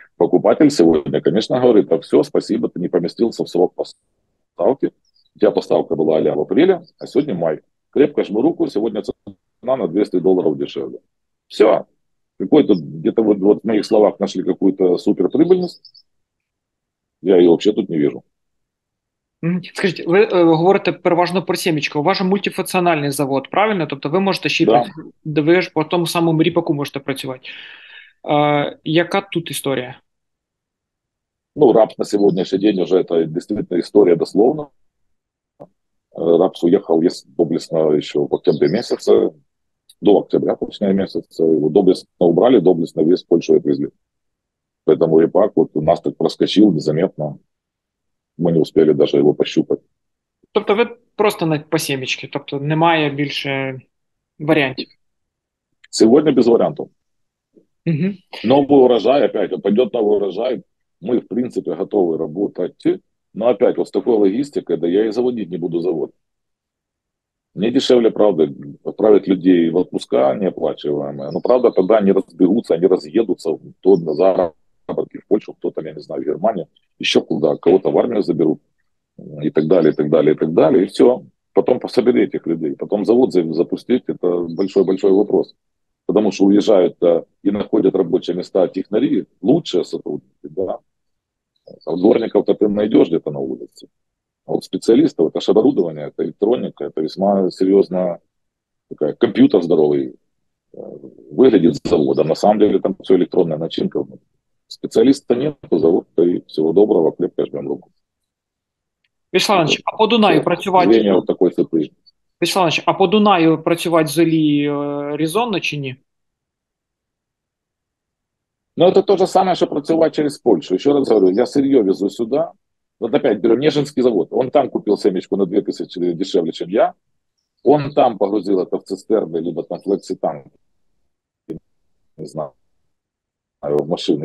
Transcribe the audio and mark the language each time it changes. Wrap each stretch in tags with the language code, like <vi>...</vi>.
<ru>Покупатель сегодня, конечно, говорит, так все, спасибо, ты не поместился в срок поставки. У тебя поставка была аля в апреле, а сегодня май. Крепко жму руку, сегодня цена на $200 дешевле. Все. Какой-то где-то вот в моих словах нашли какую-то суперприбыльность. Я ее вообще тут не вижу. Скажите,</ru> <uk>ви говорите переважно про сімечко. У вас же мультифункціональний завод, правильно? Тобто ви можете ще й ви ж по тому самому ріпаку можете працювати. Яка тут історія? Ну, рапс на сьогоднішній день вже це дійсно історія дословно. Рапс уехав доблесно ще в октябрі місяця,</uk> <ru>до октября, точнее,</ru> <uk>місяця. Його доблесно убрали, доблесно весь Польщу привезли. Тому ріпак от у нас так проскочив</uk> <ru>незаметно.</ru> <uk>Ми не встигли навіть його пощупати. Тобто ви просто на по сімечки, тобто немає більше варіантів. Сьогодні без варіантів. Новий урожай,</uk> <ru>опять пойде</ru> <uk>новий урожай. Ми, в принципі, готові працювати.</uk> <ru>Но опять вот с такой логистикой, да я и заводить не буду завод. Мне дешевле, правда, отправить людей в отпуска неоплачиваемые. Но правда, тогда они разберутся, они разъедутся, кто на заработки в Польшу, кто там, я не знаю, в Германию, еще куда, кого-то в армию заберут и так далее, и так далее, и так далее. И все. Потом пособери этих людей. Потом завод запустить, это большой-большой вопрос. Потому что уезжают и находят рабочие места технари, лучшие сотрудники, да. А дворников-то ты найдешь где-то на улице. А вот специалистов, это же оборудование, это электроника, это весьма серьезно, такая, компьютер здоровый, выглядит завод, а на самом деле там все электронная начинка. Специалиста нет, завод-то и всего доброго, крепко жмем руку.</ru> <uk>Вячеслав Іванович, а по Дунаю працювати...</uk> <ru>Вот такой цепи.</ru> <uk>Вячеслав Іванович, а по Дунаю працювати взагалі резонно чи ні?</uk> <ru>Ну, это то же самое, что працювать через Польшу. Еще раз говорю, я сырье везу сюда. Вот опять берем Нежинский завод. Он там купил семечку на 2000 дешевле, чем я. Он там погрузил это в цистерны, либо там флекситанк. Не знаю. В машину.</ru>